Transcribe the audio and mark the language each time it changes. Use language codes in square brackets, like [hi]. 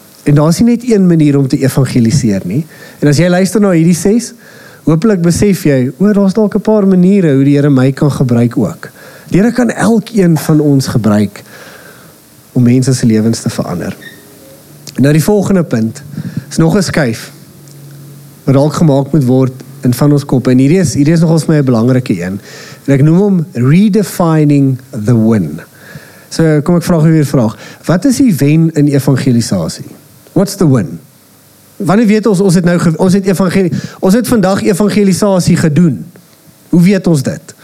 [af] En daar is nie net een manier om te evangeliseer nie. En as jy luister na hierdie ses, hopelik besef jy, daar's dalk 'n paar maniere hoe die Here my kan gebruik ook. Die Here kan elkeen van ons gebruik om mense se lewens te verander. Nou die volgende punt is nog 'n skuif wat dalk gemaak moet word in van ons koppe. En hierdie is nogals my 'n belangrike een. En ek noem hom [en] redefining the win. [af] So kom ek vraag weer vraag. Wat is die wen in evangelisasie? [en] What's the win? [af] Wanneer weet ons, ons het vandag evangelisasie gedoen. Hoe weet ons dit?